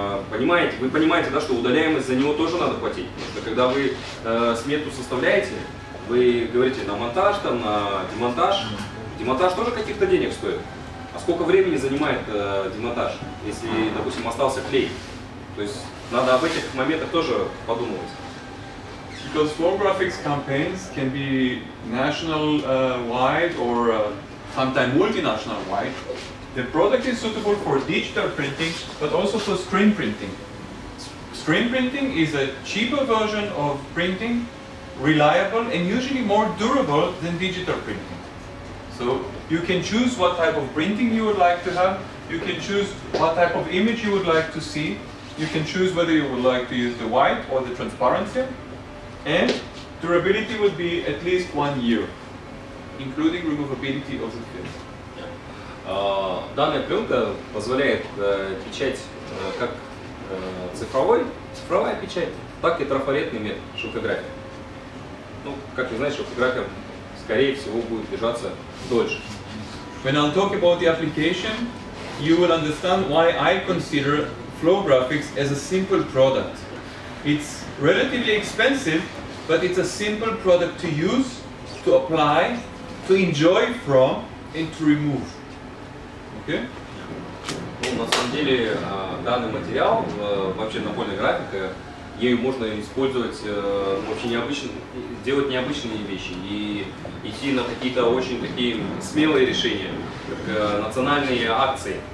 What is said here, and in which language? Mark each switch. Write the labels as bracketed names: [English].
[Russian] Вы понимаете, да, что удаляемость за него тоже надо платить. Потому что когда вы смету составляете, вы говорите на монтаж, там, на демонтаж. Демонтаж тоже каких-то денег стоит. А сколько времени занимает демонтаж, если, допустим, остался клей? То есть надо об этих моментах тоже подумывать. [English] Because floor graphics campaigns can be national wide or sometimes multinational wide. The product is suitable for digital printing, but also for screen printing. Screen printing is a cheaper version of printing, reliable and usually more durable than digital printing. So you can choose what type of printing you would like to have. You can choose what type of image you would like to see. You can choose whether you would like to use the white or the transparent film. And durability would be at least 1 year, including removability of the film. [Russian] Данная пленка позволяет печать как цифровая печать, так и трафаретными шелкографиями. Ну, как вы знаете, шелкография, скорее всего, будет держаться дольше. [English] When I'll talk about the application, you will understand why I consider Flow Graphics as a simple product. It's relatively expensive, but it's a simple product to use, to apply, to enjoy from, and to remove. Okay. [Russian] Ну, на самом деле, данный материал, вообще напольная графика, ею можно использовать, вообще необычно, делать необычные вещи и идти на какие-то очень такие смелые решения, как национальные акции.